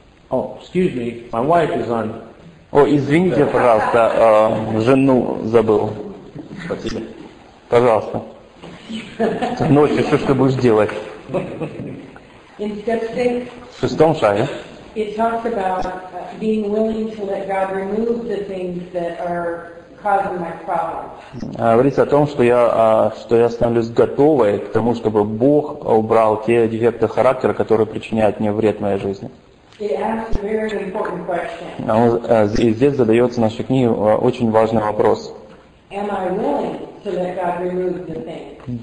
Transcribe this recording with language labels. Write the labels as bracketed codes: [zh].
[en] Oh, excuse me. My wife is on. [ru] О, извините, пожалуйста, жену забыл. Спасибо. Пожалуйста. Ночью все, что будешь делать. [en] In step six, [ru] в шестом шаге. [en] It talks about being willing to let God remove the things that are causing my problems. [ru] Говорится о том, что я становлюсь готовой к тому, чтобы Бог убрал те дефекты характера, которые причиняют мне вред в моей жизни. [en] It asks a very important question. [ru] И здесь задается в нашей книге очень важный вопрос. [en] Am I willing to let God remove the thing?